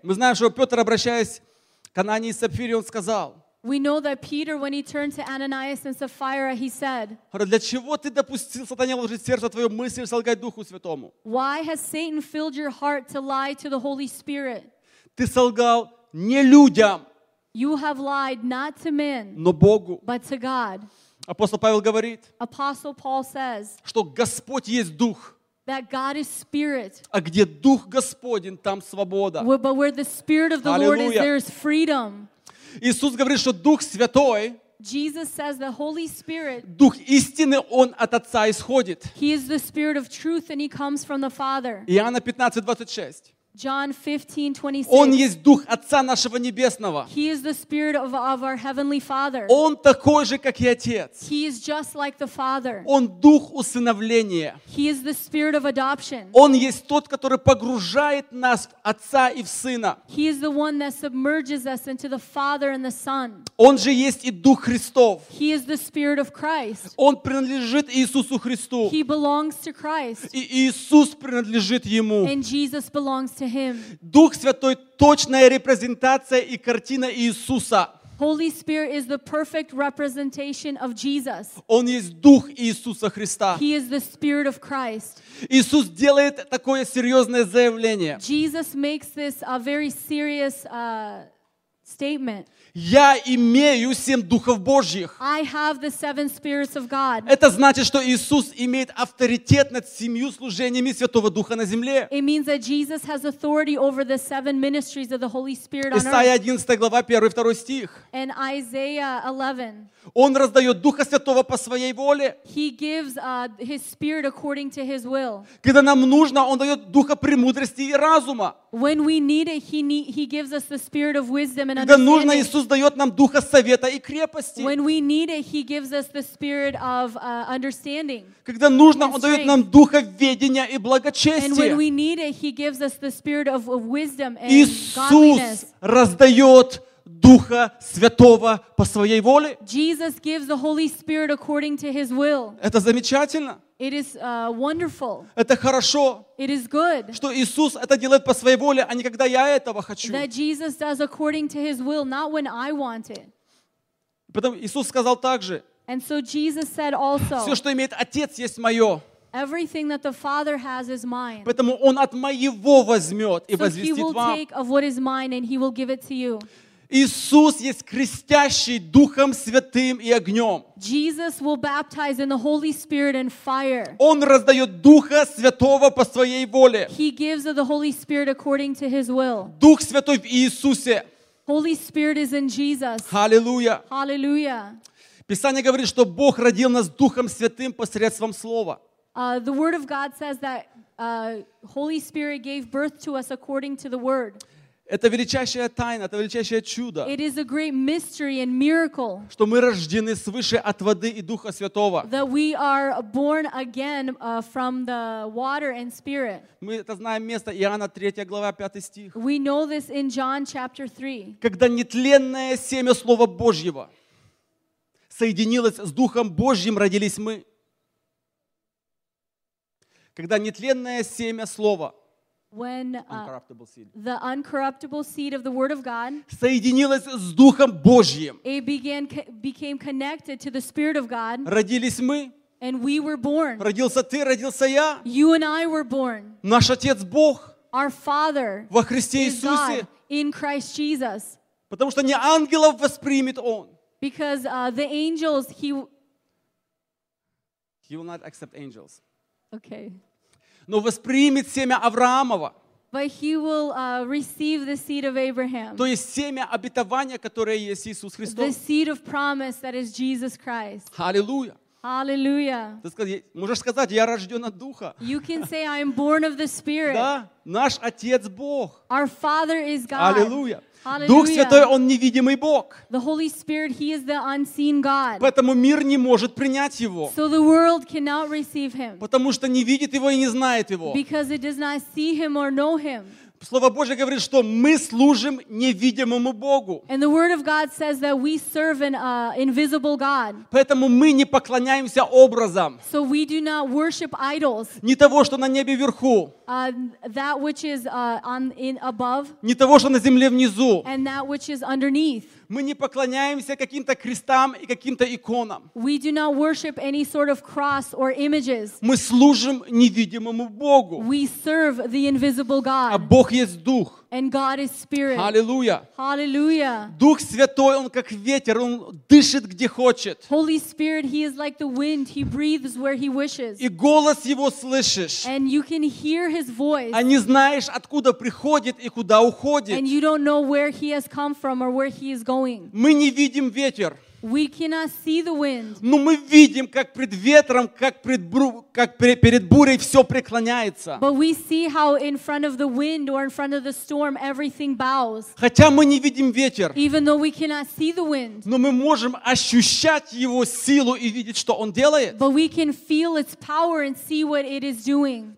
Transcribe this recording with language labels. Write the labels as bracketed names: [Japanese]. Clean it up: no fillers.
[Russian] Мы знаем, что Петр, обращаясь к Анании и Сапфире, он сказал. [English] We know that Peter, when he turned to Ananias and Sapphira, he said. [Russian] Для чего ты допустил сатане вложить в сердце твою мысль солгать Духу Святому? [English] Why has Satan filled your heart to lie to the Holy Spirit? [Russian] Ты солгал не людям, [English] you have lied not to men, [Russian] но Богу. [English] But to God. [Russian] Апостол Павел говорит, [English] Apostle Paul says, [Russian] что Господь есть Дух. [English] That God is Spirit. [Russian] А где Дух Господень, там свобода. [English] But where the Spirit of the Lord is, there is freedom. [Russian] Иисус говорит, что Дух Святой, [English] Jesus says the Holy Spirit, [Russian] Дух истины, Он от Отца исходит. [English] He is the Spirit of truth and He comes from the Father. [Russian] Иоанна 15:26. [English] John 15:26. [Russian] Он есть Дух Отца нашего Небесного. [English] He is the Spirit of our Heavenly Father. [Russian] Он такой же, как и Отец. [English] He is just like the Father. [Russian] Он Дух усыновления. [English] He is the Spirit of adoption. [Russian] Он есть тот, который погружает нас в Отца и в Сына. [English] He is the one that submerges us into the Father and the Son. [Russian] Он же есть и Дух Христов. [English] He is the Spirit of Christ. [Russian] Он принадлежит Иисусу Христу. [English] He belongs to Christ. [Russian] И Иисус принадлежит Ему. [English] And Jesus belongs to him. [Russian] Дух Святой — точная репрезентация и картина Иисуса. [English] Holy Spirit is the perfect representation of Jesus. [Russian] Он есть Дух Иисуса Христа. [English] He is the Spirit of Christ. [Russian] Иисус делает такое серьезное заявление. [English] Jesus makes this a very serious statement. [Russian] Я имею семь духов Божьих. [English] I have the seven spirits of God. [Russian] Это значит, что Иисус имеет авторитет над семью служениями Святого Духа на земле. [English] It means that Jesus has authority over the seven ministries of the Holy Spirit on earth. [Russian] Исаия 11 глава 1 и 2 стих. [English] And Isaiah 11. [Russian] Он раздает Духа Святого по своей воле. [English] He gives his spirit according to his will. [Russian] Когда нам нужно, он дает Духа премудрости и разума. [English] When we need it, he gives us the spirit of wisdom and understanding. [Russian] Когда нужно, Иисус дает нам Духа совета и крепости. [English] When we need it, he gives us the spirit of understanding. [Russian] Когда нужно, он дает нам Духа ведения и благочестия. [English] And when we need it, he gives us the spirit of wisdom and [Russian] Иисус [English] godliness. [Russian] Иисус раздает Духа Святого по своей воле. [English] Jesus gives the Holy Spirit according to his will. [Russian] Это замечательно. [English] It is wonderful. [Russian] Это хорошо. [English] It is good. [Russian] Что Иисус это делает по своей воле, а не когда я этого хочу. [English] That Jesus does according to his will, not when I want it. [Russian] Потом Иисус сказал также. [English] And so Jesus said also. [Russian] Все, что имеет Отец, есть мое. [English] Everything that the Father has is mine. [Russian] Поэтому он от моего возьмет и возвестит вам. [English] So he will take of what is mine and he will give it to you. [Russian] Иисус есть крестящий Духом Святым и огнем. [English] Jesus will baptize in the Holy Spirit and fire. [Russian] Он раздает Духа Святого по своей воле. [English] He gives of the Holy Spirit according to his will. [Russian] Дух Святой в Иисусе. [English] Holy Spirit is in Jesus. [Russian] Аллилуйя. [English] Аллилуйя. [Russian] Писание говорит, что Бог родил нас Духом Святым посредством Слова. [English] The Word of God says that Holy Spirit gave birth to us according to the Word. [Russian] Это величайшая тайна, это величайшее чудо. [English] It is a great mystery and miracle. [Russian] Что мы рождены свыше от воды и Духа Святого. [English] That we are born again from the water and spirit. [Russian] Мы это знаем место Иоанна 3 глава 5 стих. [English] We know this in John chapter 3. [Russian] Когда нетленное семя Слова Божьего соединилось с Духом Божьим, родились мы. Когда нетленное семя Слова [English] When the uncorruptible seed of the Word of God [Russian] соединилось с Духом Божьим, [English] it became connected to the Spirit of God, [Russian] родились мы, [English] and we were born. [Russian] Родился ты, родился я. [English] You and I were born. [Russian] Наш Отец Бог, [English] our Father, [Russian] во Христе Иисусе, [English] in Christ Jesus. [Russian] Потому что не ангелов воспримет Он. [English] Because the angels, he will not accept angels. Okay. [Russian] Но воспримет семя Авраамова. [English] But he will receive the seed of Abraham. [Russian] То есть семя обетования, которое есть Иисус Христос. [English] The seed of promise that is Jesus Christ. [Russian] Аллилуйя. [English] Аллилуйя. [Russian] Ты можешь сказать, я рожден от Духа. [English] You can say, I am born of the Spirit. [Russian] Да, наш Отец Бог. [English] Our Father is God. [Russian] Аллилуйя. Дух Святой, Он невидимый Бог. [English] The Holy Spirit, He is the unseen God. [Russian] Поэтому мир не может принять Его. [English] So the world cannot receive Him. [Russian] Потому что не видит Его и не знает Его. [English] Because it does not see Him or know Him. [Russian] Слово Божье говорит, что мы служим невидимому Богу. [English] And the Word of God says that we serve an invisible God. [Russian] Поэтому мы не поклоняемся образам. [English] So we do not worship idols. [Russian] Не того, что на небе вверху. [English] That which is in above. [Russian] Не того, что на земле внизу. [English] And that which is underneath. [Russian] Мы не поклоняемся каким-то крестам и каким-то иконам. [English] We do not worship any sort of cross or images. [Russian] Мы служим невидимому Богу. [English] We serve the invisible God. [Russian] А Бог есть Дух. [English] And God is Spirit. [Russian] Аллилуйя. [English] Hallelujah. [Russian] Дух Святой, Он как ветер, Он дышит где хочет. [English] Holy Spirit, He is like the wind. He breathes where He wishes. [Russian] И голос Его слышишь. [English] And you can hear His voice. [Russian] А не знаешь, откуда приходит и куда уходит. [English] And you don't know where He has come from or where He is going. [Russian] Мы не видим ветер. [English] We cannot see the wind. [Russian] Но мы видим, как пред ветром, перед бурей все преклоняется. [English] But we see how in front of the wind or in front of the storm everything bows. [Russian] Хотя мы не видим ветер. [English] Even though we cannot see the wind. [Russian] Но мы можем ощущать его силу и видеть, что он делает. [English] But we can feel its power and see what it is doing.